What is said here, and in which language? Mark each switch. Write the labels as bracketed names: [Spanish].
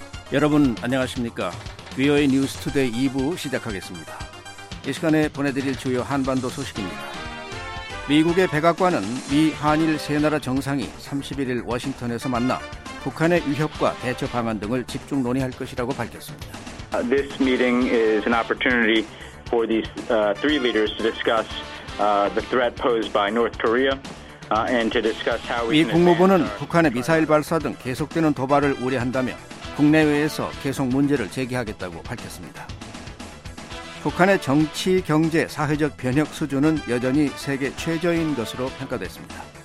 [Korean] 여러분 안녕하십니까? VOA News Today 2부 시작하겠습니다. 이 시간에 보내드릴 주요 한반도 소식입니다. 미국의 백악관은 미 한일 세 나라 정상이 31일 워싱턴에서 만나 북한의 위협과 대처 방안 등을 집중 논의할 것이라고 밝혔습니다. [English] This meeting is an opportunity for these three leaders to discuss the threat posed by North Korea. And to discuss how we [Korean] 미 국무부는 북한의 미사일 발사 등 계속되는 도발을 우려한다며 국내외에서 계속 문제를 제기하겠다고 밝혔습니다. 북한의 정치, 경제, 사회적 변혁 수준은 여전히 세계 최저인 것으로 평가됐습니다.